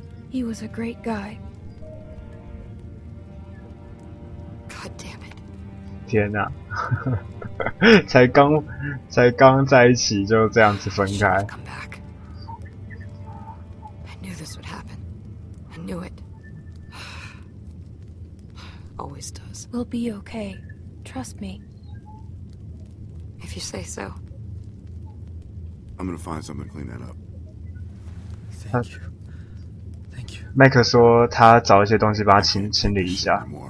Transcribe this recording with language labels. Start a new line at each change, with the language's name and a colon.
English: He was a great guy. God damn it!
Chinese: 天哪，才刚在一起就这样子分开。
English: Come back. I knew this would happen. I knew it. always does. We'll be okay. Trust me. If you say so. I'm gonna find something to clean that up. Thank you. Thank you.
Chinese: 麦克说他找一些东西把它清理一下。